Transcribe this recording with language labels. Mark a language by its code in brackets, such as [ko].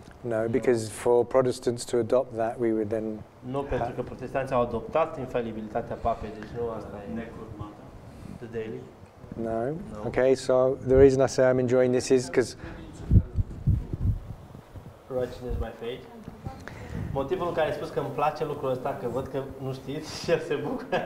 [en] No, because for Protestants to adopt that, we would then... [ro] Nu, pentru că protestanții au adoptat infalibilitatea papei, deci nu asta e... Necurmata. [en] The daily? No. Okay, so the reason I say I'm enjoying this is because... Righteousness by faith. [ro] Motivul în care ai spus că îmi place lucrul ăsta, că văd că nu știți și el se bucă.